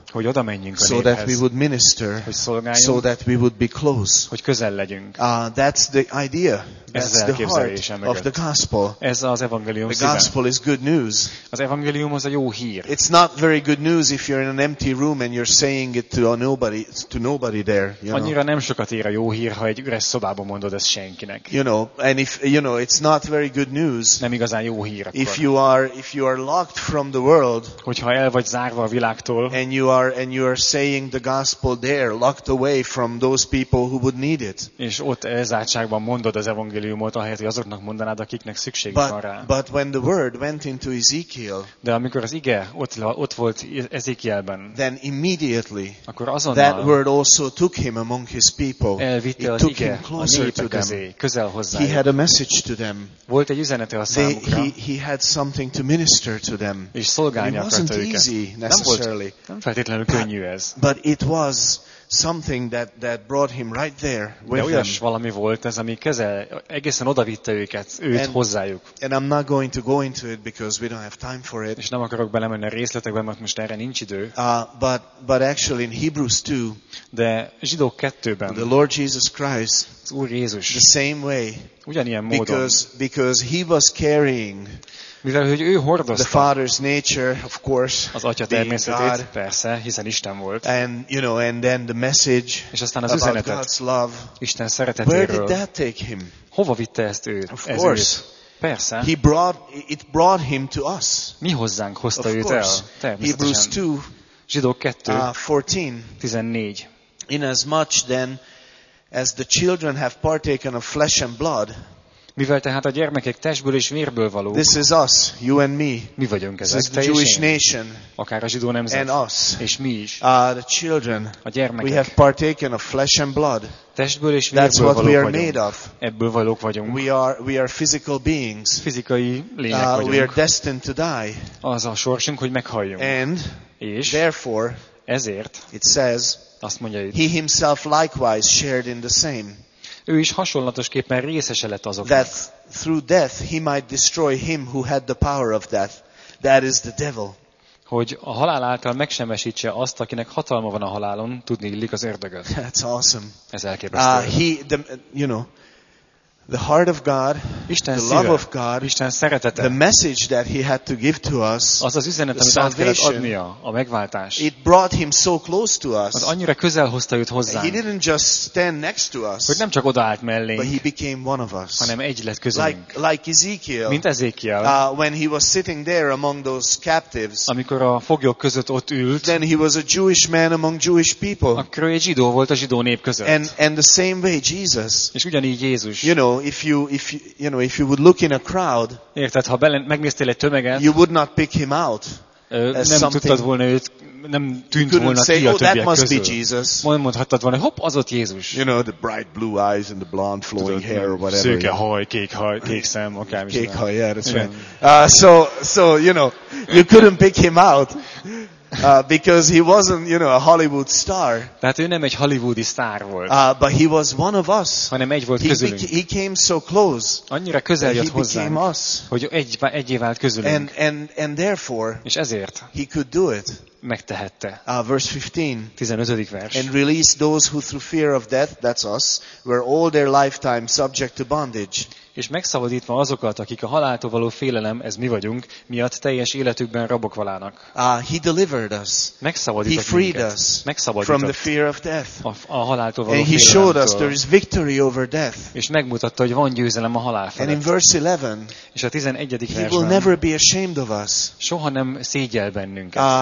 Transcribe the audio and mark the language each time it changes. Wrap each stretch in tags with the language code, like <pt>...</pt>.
<hu>hogy oda menjünk a néphez,</hu> <en>so that we would minister,</en> <hu>hogy szolgáljunk,</hu> <en>so that we would be close,</en> <hu>hogy közel legyünk.</hu> <en>That's the idea. That's the heart of the gospel.</en> <hu>Ez az evangélium.</hu> <en>The gospel is good news.</en> <hu>Az evangélium az a jó hír.</hu> <en>It's not very good news if you're in an empty room and you're saying it to nobody there.</en> <hu>Annyira nem sokat ér a jó hír, ha egy üres szobában mondod ezt senkinek.</hu> <en>You know, and if you know, it's not very good news.</en> <hu>Nem igazán jó hír akkor.</hu> <en>If you are locked from the world.</en> <hu>Hogyha el vagy zárva a világtól.</hu> <en>And you are saying the gospel there, locked away from those people who would need it.</en> <hu>És ott elzártságban mondod az evangélium. Ahelyett, hogy azoknak mondanád, akiknek szükségük van rá.</hu> <en>But when the word went into Ezekiel,</en> <hu>de amikor az ige ott volt Ezekielben,</hu> <en>then immediately,</en> <hu>akkor azonnal,</hu> <en>that word also took him among his people.</en> <hu>Elvitte az ige a népekhez, közel hozzájuk.</hu> <en>He had a message to them.</en> <hu>Volt egy üzenete a számukra.</hu> <en>He had something to minister to them.</en> <hu>És szolgálni akarta őket.</hu> <en>Easy, necessarily.</en> <hu>Nem feltétlenül könnyű ez.</hu> <en>But it was something that brought him right there with him.</en> <hu>De olyas valami volt ez, ami kezel, egészen odavitte őket, őt hozzájuk.</hu> <en>And I'm not going to go into it because we don't have time for it.</en> <hu>És nem akarok belemenni a részletekbe, mert most erre nincs idő.</hu> <en>But actually in Hebrews 2,</en> <hu>de Zsidók 2-ben,</hu> <en>the Lord Jesus Christ,</en> <hu>az Úr Jézus,</hu> <en>the same way,</en> <hu>ugyanilyen módon,</hu> <en>because he was carrying,</en> <hu>mivel hogy ő hordozta,</hu> <en>the Father's nature, of course,</en> <hu>az Atya természetét, God, persze, hiszen Isten volt.</hu> <en>And you know, and then the message,</en> <hu>és aztán az üzenetet,</hu> <en>about God's love,</en> <hu>Isten szeretetéről.</hu> <en>Where did that take him?</en> <hu>Hova vitte ezt őt?</hu> <en>Of course,</en> <hu>persze.</hu> <en>It brought him to us.</en> <hu>Mi hozzánk hozta őt el?</hu> <en>Hebrews 2,</en> <hu>Zsidók 2, 14.</hu> <en>Inasmuch then as the children have partaken of flesh and blood.</en> <hu>Mivel tehát a gyermekek testből és vérből való.</hu> <en>This is us, you and me.</en> <hu>Mi vagyunk ezek,</hu> <en>this is the Jewish nation.</en> <hu>Akár a zsidó nemzet.</hu> <en>And us.</en> <hu>És mi is.</hu> <en>The children.</en> <hu>A gyermekek.</hu> <en>We have partaken of flesh and blood.</en> <hu>Testből és vérből való.</hu> <en>That's what we are</en> <hu>vagyunk.</hu> <en>Made of.</en> <hu>Ebből valók vagyunk.</hu> <en>We are physical beings.</en> <hu>Fizikai lények vagyunk.</hu> <en>We are destined to die.</en> <hu>Az a sorsunk, hogy meghaljunk.</hu> <en>And</en> <hu>és</hu> <en>therefore,</en> <hu>ezért,</hu> <en>it says,</en> <hu>azt mondja itt,</hu> <en>he himself likewise shared in the same.</en> <hu>Ő is hasonlatosképpen részese lett azoknak.</hu> <en>That through death he might destroy him who had the power of death. That is the devil.</en> <hu>Hogy a halál által megsemmisítse azt, akinek hatalma van a halálon, tudni illik az ördögöt.</hu> <en>That's awesome.</en> <hu>Ez elképesztő.</hu> <en>He, the, you know, The heart of God,</en> <hu>Isten</hu> <en>the</en> <hu>szíve,</hu> <en>love of God,</en> <hu>Isten szeretete,</hu> <en>the message that he had to give to us,</en> <hu>az üzenet,</hu> <en>the salvation,</en> <hu>a megváltás,</hu> <en>it brought him so close to us.</en> <hu>Az annyira közel hozta őt hozzánk.</hu> <en>He didn't just stand next to us,</en> <hu>hogy nem csak odaállt mellénk,</hu> <en>but he became one of us.</en> <hu>Hanem egy lett közülünk.</hu> <en>Like Ezekiel,</en> <hu>mint Ezekiel,</hu> <en>when he was sitting there among those captives,</en> <hu>amikor a foglyok között ott ült,</hu> <en>then he was a Jewish man among Jewish people,</en> <hu>akkor ő egy zsidó volt a zsidó nép között.</hu> <en>And the same way Jesus,</en> <hu>és ugyanígy Jézus,</hu> <en>you know, if you would look in a crowd,</en> <hu>érted, ha megnéztél egy tömeget,</hu> <en>you would not pick him out.</en> <hu>Nem tudtad volna őt, nem tűnt volna</hu> <en>say,</en> <hu>ki a többiek</hu> <en>that must</en> <hu>közül.</hu> <en>Be Jesus.</en> <hu>Mondhattad volna, hopp, az ott Jézus.</hu> <en>You know, the bright blue eyes and the blonde flowing</en> <hu>tudod,</hu> <en>hair or whatever.</en> <hu>Szőke haj, kék haj, kék szem, akármi. Kék haj,</hu> <en>yeah, that's right. So you know, you couldn't pick him out. Because he wasn't, you know, a Hollywood star.</en> <hu>Tehát ő nem egy hollywoodi sztár volt.</hu> <en>But he was one of us.</en> <hu>Hanem egy volt közülünk.</hu> <en>He came so close.</en> <hu>Annyira közel jött hozzánk.</hu> <en>Became us.</en> <hu>Hogy egyé vált közülünk.</hu> <en>And therefore.</en> <hu>És ezért.</hu> <en>He could do it.</en> <hu>Megtehette.</hu> <en>Verse 15.</en> <hu>15. vers.</hu> <en>And release those who through fear of death, that's us, were all their lifetime subject to bondage.</en> <hu>És megszabadítva azokat, akik a haláltól való félelem, ez mi vagyunk, miatt teljes életükben rabok valának.</hu> <en>He delivered us.</en> <hu>Megszabadított</hu> <en>he freed</en> <hu>minket.</hu> <en>Us</en> <hu>megszabadított</hu> <en>from the fear of death.</en> <hu>A haláltól való</hu> <en>and he showed us there is victory over death.</en> <hu>És megmutatta, hogy van győzelem a halál felett.</hu> <en>And in verse 11,</en> <hu>és a 11.</hu> <en>He will never be ashamed of us.</en> <hu>Soha nem szégyel bennünket.</hu>